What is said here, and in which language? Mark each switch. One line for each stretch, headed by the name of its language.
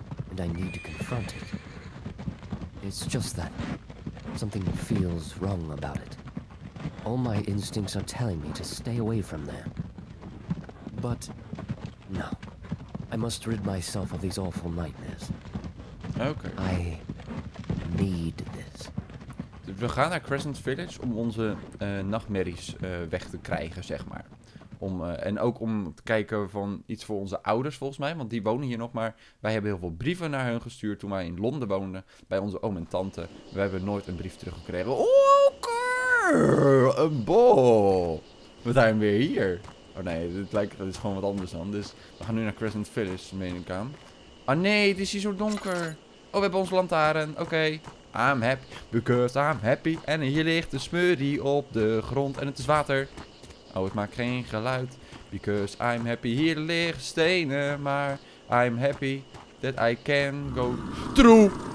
English: And I need to confront it. It's just that something feels wrong about it. All my instincts are telling me to stay away from there. But no. I must rid myself of these awful nightmares. Okay. I need this.
Dutch: We gaan naar Crescent Village om onze nachtmerries weg te krijgen, zeg maar. En ook om te kijken van iets voor onze ouders, volgens mij. Want die wonen hier nog maar. Wij hebben heel veel brieven naar hun gestuurd toen wij in Londen woonden. Bij onze oom en tante. We hebben nooit een brief teruggekregen. Oeh, een bol. We zijn weer hier. Oh nee, dit is gewoon wat anders dan. Dus we gaan nu naar Crescent Village, meen ik aan. Ah nee, het is hier zo donker. Oh, we hebben onze lantaarn. Oké. Okay.
English: I'm happy, because I'm happy.
Dutch: En hier ligt de smurrie op de grond. En het is water. Oh, het maakt geen geluid.
English: Because I'm happy.
Dutch: Hier liggen stenen.
English: Maar I'm happy that I can go through.